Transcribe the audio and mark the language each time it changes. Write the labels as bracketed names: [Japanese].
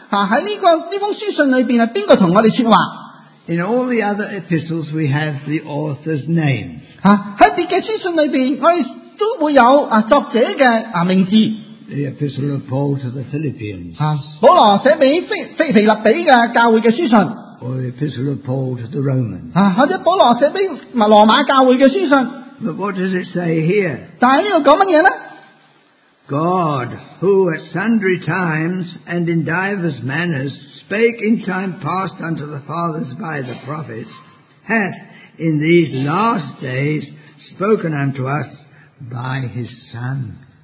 [Chinese] 首先我们就来到思想,在这封书信里面,是谁跟我们说话。 [English] In all the other epistles, we have the author's name. [Chinese] 在别的书信里面,我们都会有作者的名字。 [English] The epistle of Paul to the Philippians. [Chinese] 保罗写给腓立比教会的书信。 [English] Or the epistle of Paul to the Romans. [Chinese] 或者保罗写给罗马教会的书信。 [English] But what does it say here? [Chinese] 但在这里说什么呢? [English] God, who at sundry times and in divers manners spake in time past unto the fathers by the prophets, hath in these last days spoken unto us by his Son.